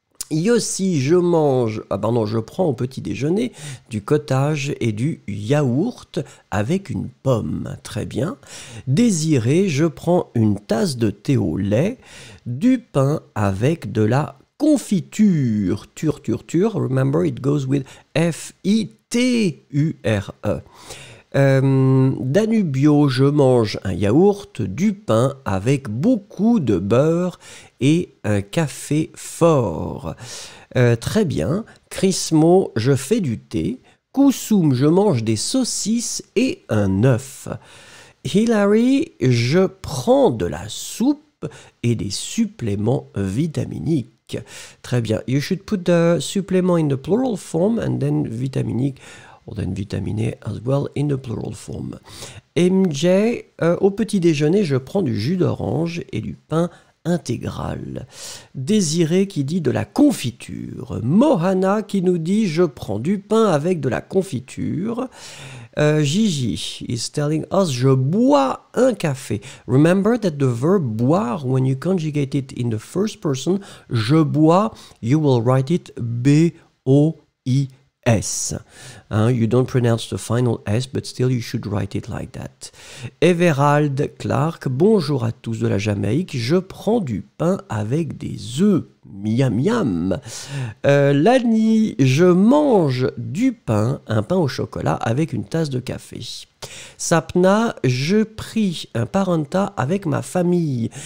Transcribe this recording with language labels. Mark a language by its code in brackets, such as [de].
[fr] Yossi, je prends au petit déjeuner du cottage et du yaourt avec une pomme. Très bien. Désiré, je prends une tasse de thé au lait, du pain avec de la confiture. [en] Remember, it goes with F-I-T-U-R-E. [fr] Danubio, je mange un yaourt, du pain avec beaucoup de beurre et un café fort. Très bien. Chrismo, je fais du thé. Kusum, je mange des saucisses et un œuf. Hilary, je prends de la soupe et des suppléments vitaminiques. Très bien. [en] You should put the supplement in the plural form and then vitaminic or then vitaminé as well in the plural form. [fr] MJ, au petit déjeuner, je prends du jus d'orange et du pain intégral. Désiré qui dit de la confiture. Mohana qui nous dit je prends du pain avec de la confiture. [en] Gigi is telling us, [fr] je bois un café. [en] Remember that the verb boire, when you conjugate it in the first person, [fr] je bois, [en] you will write it B-O-I-S. You don't pronounce the final S, but still you should write it like that. [fr] Everald Clark, bonjour à tous de la Jamaïque. Je prends du pain avec des œufs. Miam, miam. Lani, je mange du pain, un pain au chocolat avec une tasse de café. Sapna, je prie un paranta avec ma famille.